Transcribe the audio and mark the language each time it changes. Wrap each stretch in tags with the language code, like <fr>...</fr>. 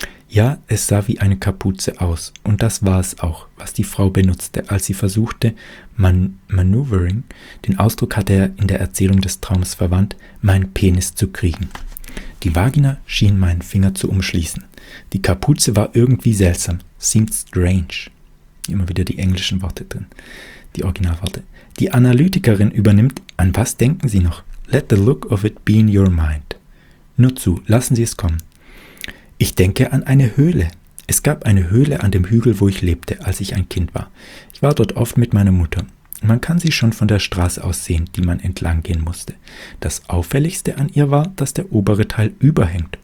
<de>Ja, es sah wie eine Kapuze aus. Und das war es auch, was die Frau benutzte, als sie versuchte, Maneuvering, den Ausdruck hatte er in der Erzählung des Traums verwandt, meinen Penis zu kriegen. Die Vagina schien meinen Finger zu umschließen. Die Kapuze war irgendwie seltsam.</de> <en>Seemed strange.</en> <de>Immer wieder die englischen Worte drin. Die Originalworte. Die Analytikerin übernimmt, an was denken Sie noch?</de> <en>Let the look of it be in your mind.</en> <de>Nur zu, lassen Sie es kommen. Ich denke an eine Höhle. Es gab eine Höhle an dem Hügel, wo ich lebte, als ich ein Kind war. Ich war dort oft mit meiner Mutter. Man kann sie schon von der Straße aus sehen, die man entlang gehen musste. Das Auffälligste an ihr war, dass der obere Teil überhängt.</de>